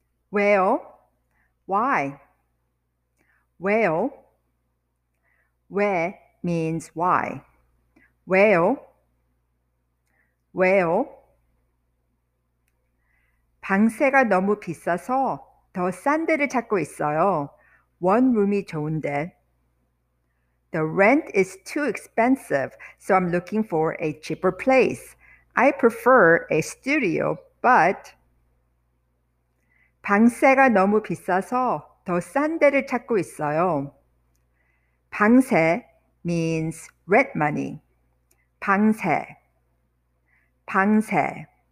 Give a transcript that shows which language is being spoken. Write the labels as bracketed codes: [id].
[en] Well, why? Well, where means why. Well, well. [ko] 방세가 너무 비싸서 더 싼 데를 찾고 있어요. One room이 좋은데. [en] The rent is too expensive, so I'm looking for a cheaper place. I prefer a studio, but... [ko] 방세가 너무 비싸서 더 싼 데를 찾고 있어요. [en] 방세 means rent money. [ko] 방세. 방세.